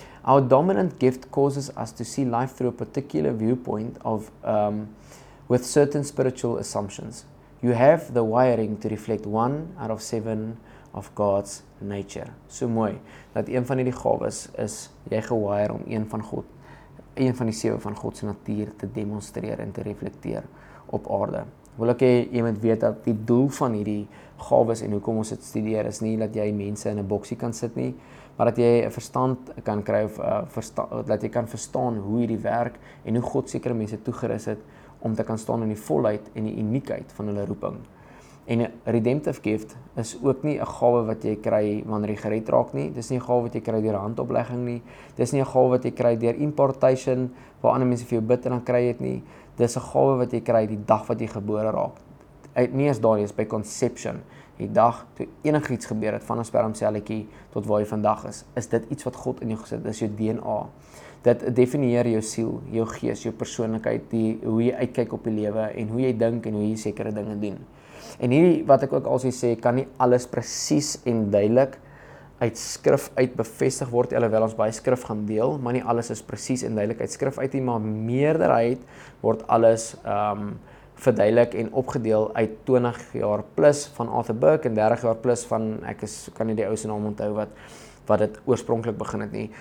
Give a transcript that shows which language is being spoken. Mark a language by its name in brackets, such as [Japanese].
[English] Our dominant gift causes us to see life through a particular viewpoint of with certain spiritual assumptions. You have the wiring to reflect 1 out of 7 of God's nature. [Afrikaans] So mooi, dat een van die gawes is jy gewire om een van die sewe van God se natuur te demonstreer en te reflekteer op aarde. Wil ek jy moet weet dat die doel van hierdie gawes en hoekom ons dit studeer is nie dat jy mense in 'n boksie kan sit nie, maar dat jy 'n verstand kan kry of dat jy kan verstaan hoe hierdie werk en hoe God sekere mense toegerus het om te kan staan in die volheid en die uniekheid van hulle roeping. En 'n redemptive gift is ook nie 'n gawe wat jy kry wanneer jy gered raak nie. Dis nie 'n gawe wat jy kry deur handoplegging nie. Dis nie 'n gawe wat jy kry deur impartation waar ander mense vir jou bid en dan kry jy dit nie. Dis 'n gawe wat jy kry die dag wat jy gebore raak. Nie eens daar nie, is by conception die dag toe enigiets gebeur het van 'n spermselletjie tot waar jy vandag is. Is dit iets wat God in jou gesit het? Is jou DNA. Dit definieer jou siel, jou gees, jou persoonlikheid, die hoe jy uitkyk op die lewe en hoe jy dink en hoe jy sekere dinge doen. En hierdie wat ek ook alsie sê, kan nie alles presies en duidelik uit skrif uit bevestig word, alhoewel ons baie skrif gaan deel, maar nie alles is presies en duidelik uit skrif uit nie, maar meerderheid word alles verduidelik en opgedeel uit 20 jaar plus van Arthur Burke en 30 jaar plus van, kan nie die ou se naam onthou wat het oorspronkelijk begin het nie.